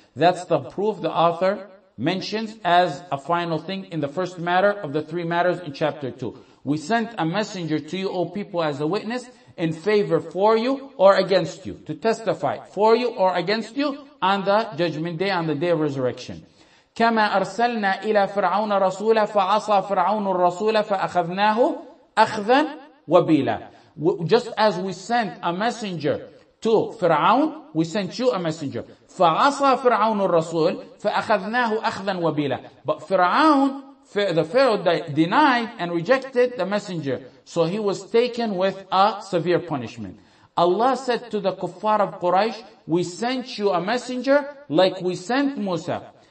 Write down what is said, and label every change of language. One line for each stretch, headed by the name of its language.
English: That's the proof the author mentions as a final thing in the first matter of the three matters in chapter 2. We sent a messenger to you, O people, as a witness in favor for you or against you, to testify for you or against you on the judgment day, on the day of resurrection.
Arabic: كَمَا أَرْسَلْنَا إِلَى فِرْعَوْنَ رَسُولًا فَعَصَى فِرْعَوْنُ الرَّسُولَ فَأَخَذْنَاهُ أَخْذًا Wabila.
English: Just as we sent a messenger to Fir'aun, we sent you a messenger.
Arabic: فَعَصَى فِرْعَوْنُ الرَّسُولِ فَأَخَذْنَاهُ أَخْذًا وَبِيلًا.
English: But Fir'aun, the Pharaoh, denied and rejected the messenger. So he was taken with a severe punishment. Allah said to the kuffar of Quraysh, we sent you a messenger like we sent Musa.